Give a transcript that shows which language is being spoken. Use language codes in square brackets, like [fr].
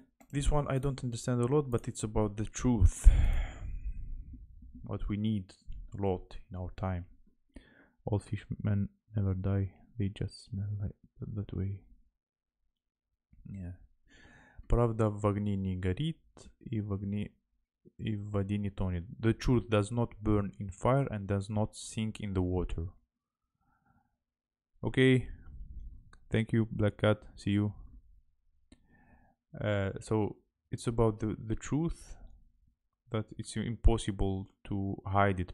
[en] This one I don't understand a lot, but it's about the truth. What we need a lot in our time. All fishmen never die, they just smell like that way. Yeah. [ru] Правда в огне не горит, и в воде не тонет. [en] The truth does not burn in fire and does not sink in the water. Okay. Thank you, Black Cat. See you. So it's about the truth, that it's impossible to hide it.